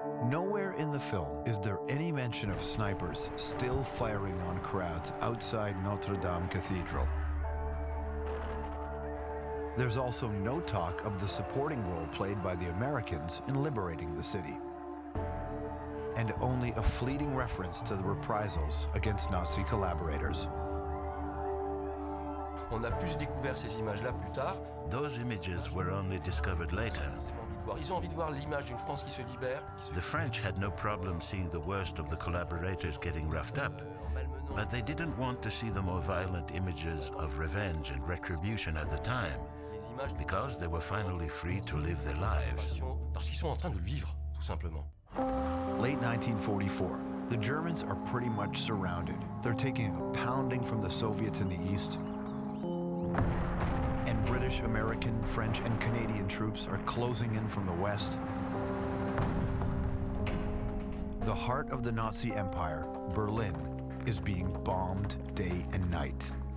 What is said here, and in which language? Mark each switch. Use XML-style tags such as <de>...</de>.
<en>Nowhere in the film is there any mention of snipers still firing on crowds outside Notre Dame Cathedral. There's also no talk of the supporting role played by the Americans in liberating the city, and only a fleeting reference to the reprisals against Nazi collaborators.</en> <fr>On a plus découvert ces images-là plus tard.</fr> <en>Those images were only discovered later.</en> <fr>Ils ont envie de voir l'image d'une France qui se libère.</fr> <en>The French had no problem seeing the worst of the collaborators getting roughed up, but they didn't want to see the more violent images of revenge and retribution at the time, because they were finally free to live their lives.</en> <fr>Parce qu'ils sont en train de vivre, tout simplement.</fr> <en>Late 1944, the Germans are pretty much surrounded. They're taking a pounding from the Soviets in the east. British, American, French, and Canadian troops are closing in from the west. The heart of the Nazi Empire, Berlin, is being bombed day and night.</en>